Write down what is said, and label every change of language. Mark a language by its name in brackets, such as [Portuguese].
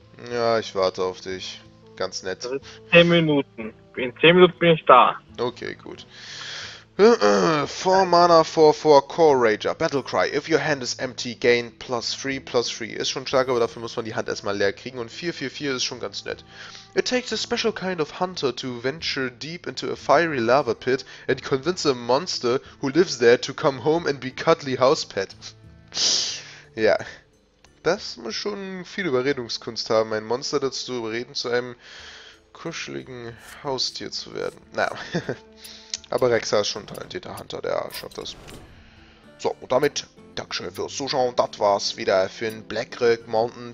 [German] Ja, ich warte auf dich. Ganz nett. Das ist 10 Minuten. In 10 Minuten bin ich da. Okay, gut. 4 Mana, 4-4, Core Rager, Battlecry. [English] If your hand is empty, gain +3/+3. [German] Ist schon stark, aber dafür muss man die Hand erstmal leer kriegen. Und 4-4-4 ist schon ganz nett. [English] It takes a special kind of hunter to venture deep into a fiery lava pit and convince a monster who lives there to come home and be cuddly house pet. [German] Ja. Das muss schon viel Überredungskunst haben, ein Monster dazu zu überreden, zu einem kuscheligen Haustier zu werden. Naja. Aber Rexa ist schon ein talentierter Hunter, der schafft das. So, und damit, Dankeschön fürs Zuschauen. Das war's wieder für den Blackrock Mountain.